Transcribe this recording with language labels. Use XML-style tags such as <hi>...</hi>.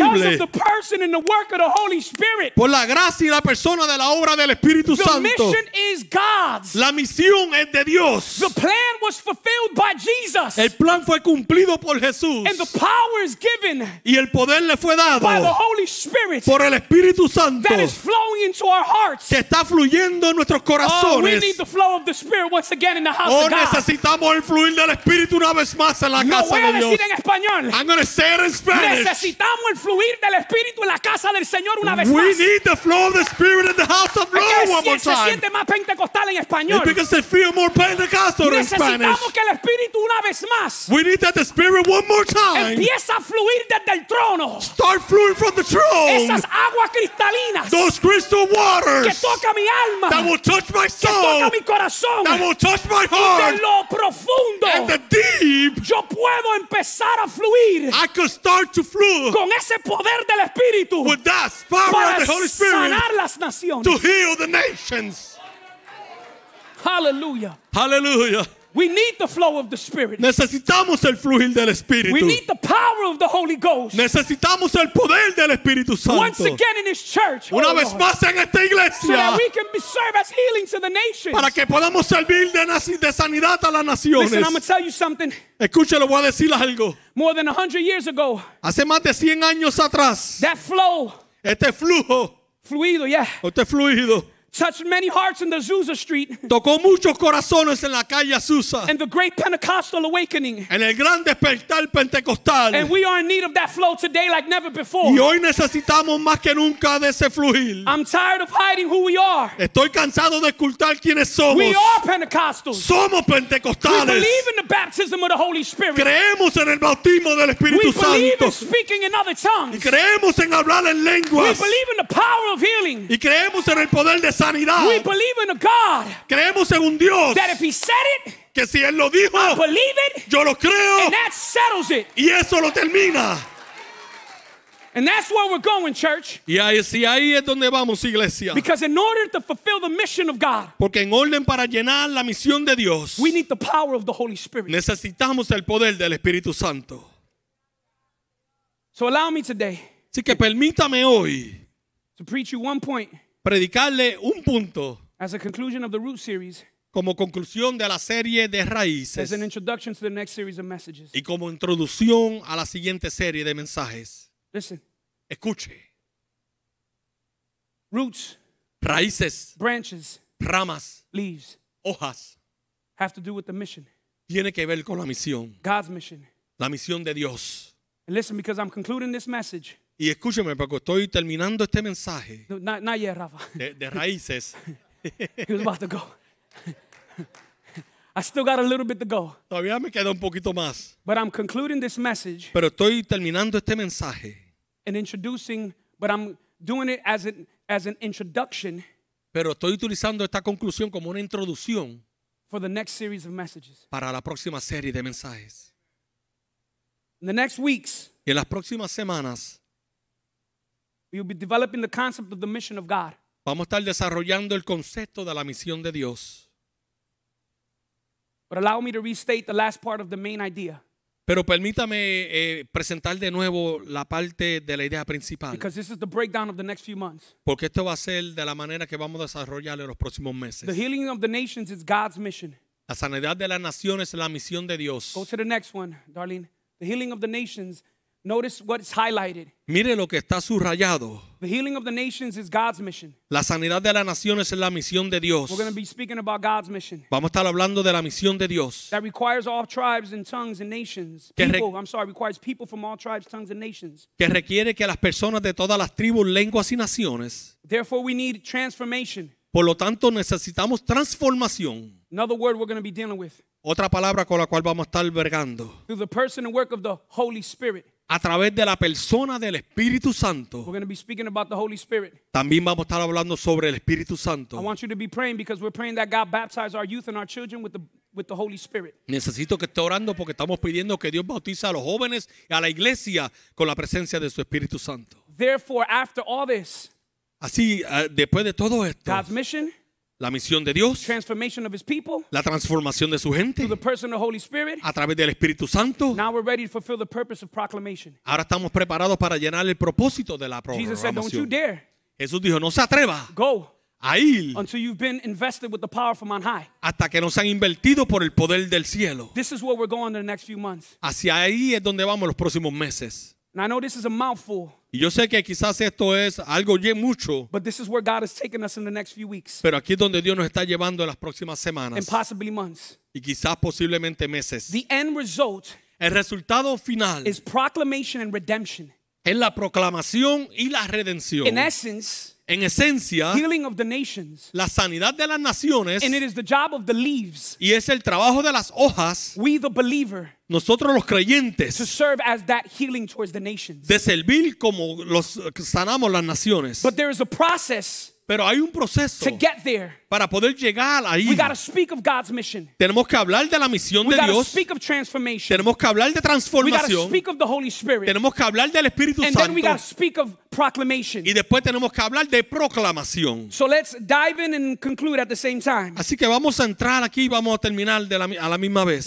<en>Because of the person and the work of the Holy Spirit.</en> <es>Por la gracia y la persona de la obra del Espíritu Santo.</es> <en>The mission is God. God's.</en> <es>La misión es de Dios.</es> <en>The plan was fulfilled by Jesus.</en> <es>El plan fue cumplido por Jesús.</es> <en>And the power is given.</en> <es>Y el poder le fue dado.</es> <en>By the Holy Spirit.</en> <es>Por el Espíritu Santo.</es> <en>That is flowing into our hearts.</en> <es>Que está fluyendo en nuestros corazones.</es> <en>Oh, we need the flow of the Spirit once again in the house of God.</en> <es>Necesitamos el fluir del Espíritu una vez más en la casa de Dios. Lo voy a decir en español.</es> <en>I'm going to say it in Spanish.</en> <es>Necesitamos el fluir del Espíritu en la casa del Señor una vez más.</es> <en>We need the flow of the Spirit in the house of the Lord one more time.</en> <es>Más pentecostal en español.</es> <en>It's because they feel more pentecostal in Spanish.</en> <es>Necesitamos que el Espíritu una vez más.</es> <en>We need that the Spirit one more time.</en> <es>Empieza a fluir desde el trono.</es> <en>Start flowing from the throne.</en> <es>Esas aguas cristalinas.</es> <en>Those crystal waters.</en> <es>Que toca mi alma.</es> <en>That will touch my soul.</en> <es>Que toca mi corazón.</es> <en>That will touch my heart.</en> <es>Y de lo profundo.</es> <en>And the deep.</en> <es>Yo puedo empezar a fluir.</es> <en>I can start to flow.</en> <es>Con ese poder del Espíritu.</es> <en>With that power of the Holy Spirit.</en> <es>Para sanar las naciones.</es> <en>To heal the nations. Hallelujah. Hallelujah. We need the flow of the Spirit.</en> <es>Necesitamos el fluir del Espíritu.</es> <en>We need the power of the Holy Ghost.</en> <es>Necesitamos el poder del Espíritu Santo.</es> <en>Once again in His church.</en> <es>Una oh vez</es> <en>Lord.</en> <es>Más en esta iglesia.</es> <en>So that we can serve as healing to the nations.</en> <es>Para que podamos servir de sanidad a las naciones.</es> <en>Listen, I'm going to tell you something.</en> <es>Escúchalo, voy a decir algo.</es> <en>More than 100 years ago.</en> <es>Hace más de 100 años atrás.</es> <en>That flow.</en> <es>Este flujo. Fluido, yeah. Este fluido.</es> <en>Touched many hearts in the Azusa Street.</en> <es>Tocó muchos corazones en la calle Azusa.</es> <en>And the great Pentecostal awakening.</en> <es>En el gran despertar pentecostal.</es> <en>And we are in need of that flow today like never before.</en> <es>Y hoy necesitamos más que nunca de ese fluir.</es> <en>I'm tired of hiding who we are.</en> <es>Estoy cansado de ocultar quiénes somos.</es> <en>We are Pentecostals.</en> <es>Somos pentecostales.</es> <en>We believe in the baptism of the Holy Spirit.</en> <es>Creemos en el bautismo del Espíritu Santo.</es> <en>We believe in speaking in other tongues.</en> <es>Y creemos en hablar en lenguas.</es> <en>We believe in the power of healing.</en> <es>Y creemos en el poder de sanidad.</es> <en>We believe in a God.</en> <es>Creemos en un Dios.</es> <en>That if He said it,</en> <es>que si él lo dijo,</es> <en>I believe it.</en> <es>Yo lo creo.</es> <en>And that settles it.</en> <es>Y eso lo termina.</es> <en>And that's where we're going, church.</en> <es>Y ahí es donde vamos, iglesia.</es> <en>Because in order to fulfill the mission of God,</en> <es>porque en orden para llenar la misión de Dios,</es> <en>we need the power of the Holy Spirit.</en> <es>Necesitamos el poder del Espíritu Santo.</es> <en>So allow me today.</en> <es>Así que permítame hoy</es> <en>to preach you one point.</en> <es>Predicarle un punto</es> <en>as a conclusion of the root series,</en> <es>como conclusión de la serie de raíces,</es> <en>as an introduction to the next series of messages,</en> <es>y como introducción a la siguiente serie de mensajes.</es> <en>Listen.</en> <es>Escuche.</es> <en>Roots.</en> <es>Raíces.</es> <en>Branches.</en> <es>Ramas.</es> <en>Leaves.</en> <es>Hojas.</es> <en>Have to do with the mission.</en> <es>Tiene que ver con la misión.</es> <en>God's mission.</en> <es>La misión de Dios.</es> <en>And listen, because I'm concluding this message.</en> <es>Y escúcheme, porque estoy terminando este mensaje.</es> <en>No, not yet, Rafa.</en> <es>De raíces.</es> <en>He was about to go. I still got a little bit to go.</en> <es>Todavía me queda un poquito más.</es> <en>But I'm concluding this message.</en> <es>Pero estoy terminando este mensaje.</es> <en>And introducing, but I'm doing it as an introduction.</en> <es>Pero estoy utilizando esta conclusión como una introducción.</es> <en>For the next series of messages.</en> <es>Para la próxima serie de mensajes.</es> <en>In the next weeks.</en> <es>Y en las próximas semanas.</es> <en>We'll be developing the concept of the mission of God.</en> <es>Vamos a estar desarrollando el concepto de la misión de Dios.</es> <en>But allow me to restate the last part of the main idea.</en> <es>Pero permítame presentar de nuevo la parte de la idea principal.</es> <en>Because this is the breakdown of the next few months.</en> <es>Porque esto va a ser de la manera que vamos a desarrollar en los próximos meses.</es> <en>The healing of the nations is God's mission.</en> <es>La sanidad de las naciones es la misión de Dios.</es> <en>Go to the next one, darling. The healing of the nations. Notice what is highlighted.</en> <es>Mire lo que está subrayado.</es> <en>The healing of the nations is God's mission.</en> <es>La sanidad de las naciones es la misión de Dios.</es> <en>We're going to be speaking about God's mission.</en> <es>Vamos a estar hablando de la misión de Dios.</es> <en>That requires all tribes and tongues and nations. Requires people from all tribes, tongues and nations.</en> <es>Que requiere que las personas de todas las tribus, lenguas y naciones.</es> <en>Therefore we need transformation.</en> <es>Por lo tanto necesitamos transformación.</es> <en>Another word we're going to be dealing with.</en> <es>Otra palabra con la cual vamos a estar bergando.</es> <en>Through the person and work of the Holy Spirit.</en> <es>A través de la persona del Espíritu Santo.</es> <en>We're going to be speaking about the Holy Spirit.</en> <es>También vamos a estar hablando sobre el Espíritu Santo.</es> <en>I want you to be praying because we're praying that God baptize our youth and our children with the Holy Spirit.</en> <es>Necesito que esté orando porque estamos pidiendo que Dios bautice a los jóvenes y a la iglesia con la presencia de su Espíritu Santo.</es> <en>Therefore, after all this.</en> <es>Así, después de todo esto.</es> <en>God's mission.</en> <es>La misión de Dios,</es> <en>transformation of his people,</en> <es>la transformación de su gente,</es> <en>through the person of the Holy Spirit,</en> <es>a través del Espíritu Santo.</es> <en>Now we're ready to fulfill the purpose of proclamation.</en> <es>Ahora estamos preparados para llenar el propósito de la proclamación.</es> <en>Jesus said, "Don't you dare."</en> <es>Jesús dijo, no se atreva.</es> <en>Go. until you've been invested with the power from on high.</en> <es>Hasta que nos han invertido por el poder del cielo.</es> <en>This is where we're going in the next few months.</en> <es>Hacia ahí es donde vamos los próximos meses.</es> <en>And I know this is a mouthful.</en> <es>Y yo sé que quizás esto es algo ya mucho.</es> <en>But this is where God is taking us in the next few weeks.</en> <es>Pero aquí es donde Dios nos está llevando en las próximas semanas.</es> <en>And possibly months.</en> <es>Y quizás posiblemente meses.</es> <en>The end result.</en> <es>El resultado final.</es> <en>Is proclamation and redemption.</en> <es>Es la proclamación y la redención.</es> <en>In essence.</en> <es>En esencia,</es> <en>healing of the nations,</en> <es>la sanidad de las naciones,</es> <en>and it is the job of the leaves,</en> <es>y es el trabajo de las hojas,</es> <en>we the believer,</en> <es>nosotros los creyentes,</es> <en>to serve as that healing towards the nations,</en> <es>de servir como los sanamos las naciones.</es> <en>But there is a process.</en> <es>Pero hay un proceso</es> <en>to get there.</en> <es>Para poder llegar ahí.</es> <en>We got to speak of God's mission.</en> <es>Tenemos que hablar de la misión de Dios.</es> <en>We got to speak of transformation.</en> <es>Tenemos que hablar de transformación.</es> <en>We got to speak of the Holy Spirit.</en> <es>Tenemos que hablar del Espíritu Santo.</es> <en>And then we got to speak of proclamation.</en> <es>Y después tenemos que hablar de proclamación.</es> <en>So let's dive in and conclude at the same time.</en> <es>Así que vamos a entrar aquí y vamos a terminar a la misma vez.</es>